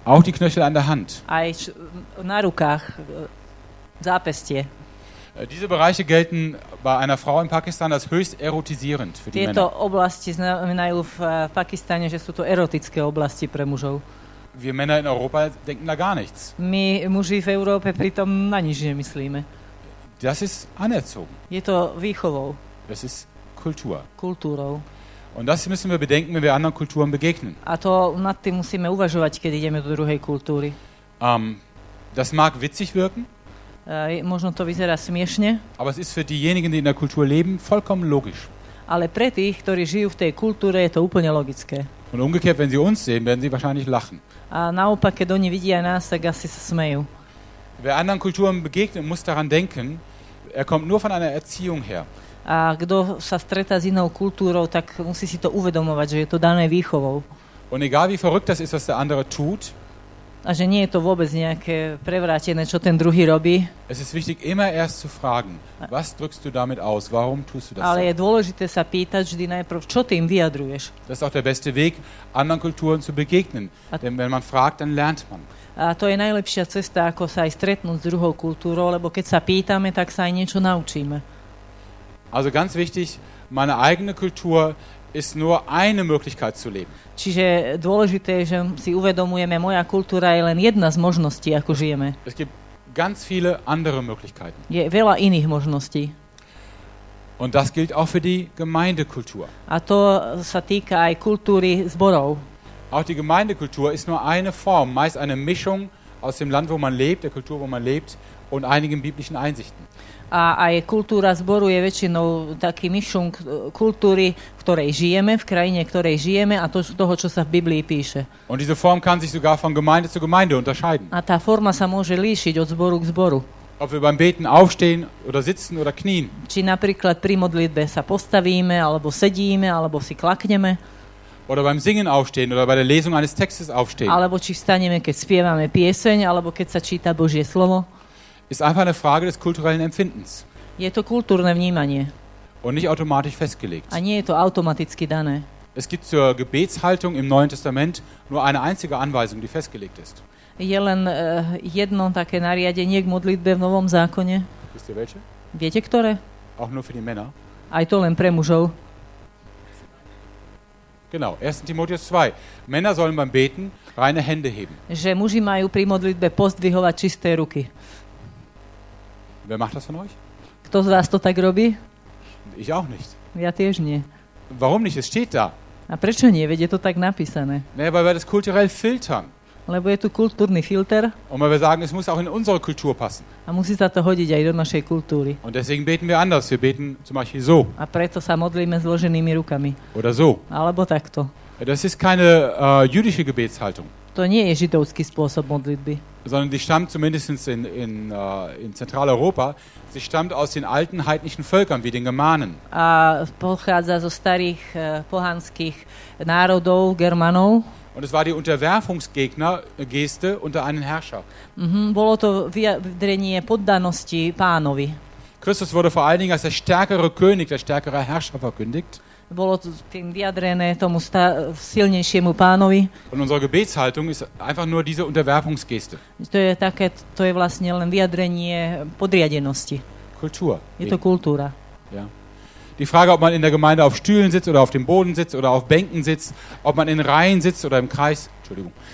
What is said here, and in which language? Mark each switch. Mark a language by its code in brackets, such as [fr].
[de] Auch die Knöchel an der Hand. [sk] Aj na rukách, zápestie. [de] Diese Bereiche gelten bei einer Frau in Pakistan als höchst erotisierend für die [sk] Tieto [de] Männer. [sk] Oblasti znamenajú v Pakistane, že sú to erotické oblasti pre mužov. [de] Wir Männer in Europa denken da gar nichts. [sk] My muži v Európe pritom na nič nemyslíme. [de] Das ist anerzogen. [sk] Je to výchovou. [de] Das ist Kultur. [sk] Kultúrou. [de] Und das müssen wir bedenken, wenn wir anderen Kulturen begegnen. [sk] A to nad tým musíme uvažovať, keď ideme do druhej kultúry. [de] Das mag witzig wirken. [sk] Možno to vyzerá smiešne. [de] Aber es ist für diejenigen, die in der Kultur leben, vollkommen logisch. [sk] Ale pre tých, ktorí žijú v tej kultúre, je to úplne logické. [de] Und umgekehrt, wenn sie uns sehen, werden sie wahrscheinlich lachen. [sk] A naopak, keď oni vidia nás, tak asi sa smejú. [de] Wer anderen Kulturen begegnet, muss daran denken, er kommt nur von einer Erziehung her. [sk] A kto sa stretá s inou kultúrou, tak musí si to uvedomovať, že je to dané výchovou. [de] Und egal wie verrückt das ist, was der andere tut, [sk] a že nie je to vôbec nejaké prevrátené, čo ten druhý robí. [de] Es ist wichtig, immer erst zu fragen, was drückst du damit aus, warum tust du das? [sk] Ale je dôležité sa pýtať vždy najprv, čo tým vyjadruješ. [de] Das ist auch der beste Weg, anderen Kulturen zu begegnen. Denn wenn man fragt, dann lernt man. [sk] A to je najlepšia cesta, ako sa aj stretnúť s druhou kultúrou, lebo keď sa pýtame, tak sa aj niečo naučíme. [de] Also ganz wichtig, meine eigene Kultur ist nur eine Möglichkeit zu leben. [sk] Čiže dôležité je, že si uvedomujeme, moja kultúra je len jedna z možností, ako žijeme. [de] Es gibt ganz viele andere Möglichkeiten. [sk] Je veľa iných možností. [de] Und das gilt auch für die Gemeindekultur. [sk] A to sa týka aj kultúry zborov. [de] Auch die Gemeindekultur ist nur eine Form, meist eine Mischung aus dem Land, wo man lebt, der Kultur, wo man lebt und einigen biblischen Einsichten. [sk] A aj kultúra zboru je väčšinou taký [de] mischung [sk] kultúry, ktorej žijeme, v krajine, ktorej žijeme a toho, čo sa v Biblii píše. [de] Und diese Form kann sich sogar von Gemeinde zu Gemeinde unterscheiden. [sk] A tá forma sa môže líšiť od zboru k zboru. [de] Ob wir beim Beten aufstehen oder sitzen oder knien. [sk] Či napríklad pri modlitbe sa postavíme, alebo sedíme, alebo si klakneme. [de] Oder beim Singen aufstehen oder bei der Lesung eines Textes aufstehen. [sk] Alebo či vstaneme, keď spievame pieseň, alebo keď sa číta Božie slovo. [de] Ist einfach eine Frage des kulturellen Empfindens. [sk] Je to kultúrne vnímanie. [de] Und nicht automatisch festgelegt. [sk] A nie je to automaticky dané. [de] Es gibt zur Gebetshaltung im Neuen Testament nur eine einzige Anweisung, die festgelegt ist. [sk] Je len jedno také nariadenie k modlitbe v Novom zákone. [de] Wisst ihr welche? [sk] Viete ktoré? [de] Auch nur für die Männer. [sk] Aj to len pre mužov. [de] Genau, 1. Timotheus 2. Männer sollen beim Beten reine Hände heben. [sk] Že muži majú pri modlitbe pozdvihovať čisté ruky. [de] Wer macht das von euch? [sk] Kto z vás to tak robí? [de] Ich auch nicht. [sk] Ja tiež nie. [de] Warum nicht? Es steht da. [sk] A prečo nie? Veď je to tak napísané. [de] Nee, weil wir das kulturell filtern. [sk] Lebo je tu kultúrny filter. [de] Und weil wir sagen, es muss auch in unsere Kultur passen. [sk] A musí sa to hodiť aj do našej kultúry. [de] Und deswegen beten wir anders. Wir beten zum Beispiel so. [sk] A preto sa modlíme zloženými rukami. [de] Oder so. [sk] Alebo takto. [de] Das ist keine jüdische Gebetshaltung. [sk] To nie je židovský spôsob modlitby. [de] Sondern die stammt zumindest in Zentraleuropa. Sie stammt aus den alten heidnischen Völkern, wie den Germanen. [sk] A pochádza zo starých pohanských národov, Germanov. [de] Und es war die Unterwerfungsgeste unter einen Herrscher. [sk] Bolo to vyjadrenie poddanosti pánovi. [de] Christus wurde vor allen Dingen als der stärkere König, der stärkere Herrscher verkündigt. [sk] Bolo to tým vyjadrené tomu silnejšiemu pánovi. [de] Und unsere Gebetshaltung ist einfach nur diese Unterwerfungsgeste. [sk] To je vlastne len vyjadrenie podriadenosti. [de] Kultur. [sk] Je to kultúra. [de] Ja. Die Frage, ob man in der Gemeinde auf Stühlen sitzt oder auf dem Boden sitzt oder auf Bänken sitzt, ob man in Reihen sitzt oder im Kreis, Entschuldigung.